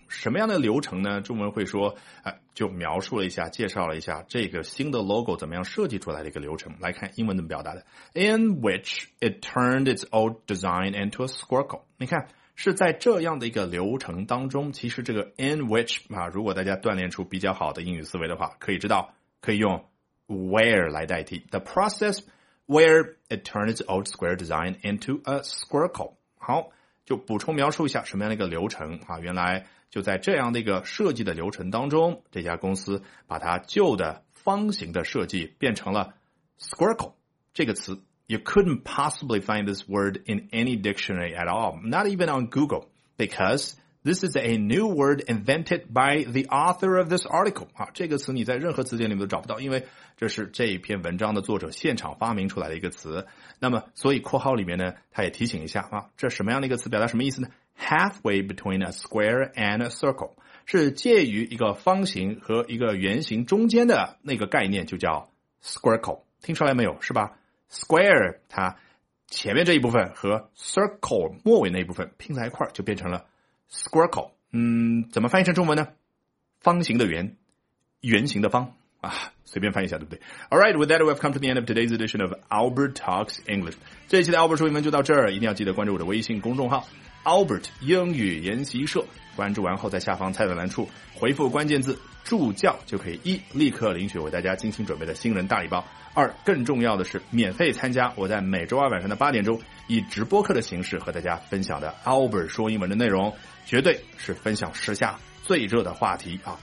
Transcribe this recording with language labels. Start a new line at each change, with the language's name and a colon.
Chinese: 什么样的流程呢？中文会说、就描述了一下，介绍了一下这个新的 logo 怎么样设计出来的一个流程。来看英文怎么表达的，
English: in which it turned its old design into a squircle,
Chinese: 你看是在这样的一个流程当中，其实这个 in which 啊，如果大家锻炼出比较好的英语思维的话，可以知道可以用
English: where
Chinese: 来代替
English: the process where it turns old square design into a circle.
Chinese: 好，就补充描述一下什么样的一个流程啊？原来就在这样的一个设计的流程当中，这家公司把它旧的方形的设计变成了 circle 这个词。
English: You couldn't possibly find this word in any dictionary at all, not even on Google, because this is a new word invented by the author of this article.
Chinese: 啊，这个词你在任何词典里面都找不到，因为这是这一篇文章的作者现场发明出来的一个词。那么，所以括号里面呢，他也提醒一下啊，这什么样的一个词，表达什么意思呢 ？
English: Halfway between a square and a circle，
Chinese: 是介于一个方形和一个圆形中间的那个概念，就叫 circle。听出来没有？是吧？ Square 它前面这一部分和 circle 末尾那一部分拼在一块就变成了 circle。嗯，怎么翻译成中文呢？方形的圆，圆形的方啊，随便翻译一下，对不对
English: ？Alright, with that, we've come to the end of today's edition of Albert Talks English。
Chinese: 这一期的 Albert 说英文就到这儿，一定要记得关注我的微信公众号 Albert 英语研习社。关注完后，在下方菜单栏处回复关键字“助教”，就可以一立刻领取为大家精心准备的新人大礼包。二，更重要的是免费参加我在每周二晚上的八点钟以直播课的形式和大家分享的 Albert 说英文的内容，绝对是分享时下最热的话题啊！